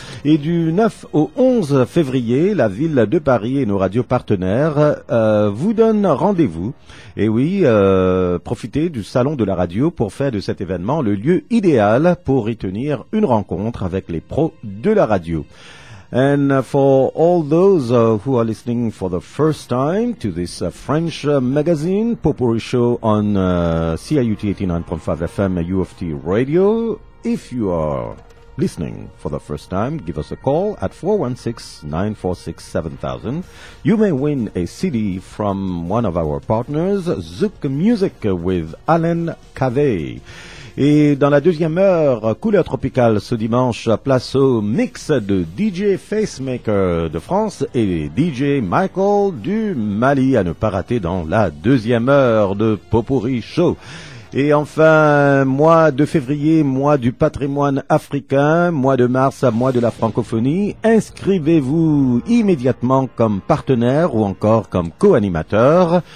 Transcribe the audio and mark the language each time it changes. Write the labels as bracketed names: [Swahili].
[French] Et du 9 au 11 février, la ville de Paris et nos radios partenaires vous donnent rendez-vous. Et oui, profitez du salon de la radio pour faire de cet événement le lieu idéal pour y tenir une rencontre avec les pros de la radio. [English] And for all those who are listening for the first time to this French magazine, Popori Show on CIUT 89.5 FM, U of T Radio, if you are listening for the first time, give us a call at 416-946-7000. You may win a CD from one of our partners, Zouk Music, with Alain Cavé. [French] Et dans la deuxième heure, couleur tropicale ce dimanche, place au mix de DJ Facemaker de France et DJ Michael du Mali, à ne pas rater dans la deuxième heure de Popori Show. Et enfin, mois de février, mois du patrimoine africain, mois de mars, mois de la francophonie, inscrivez-vous immédiatement comme partenaire ou encore comme co-animateur.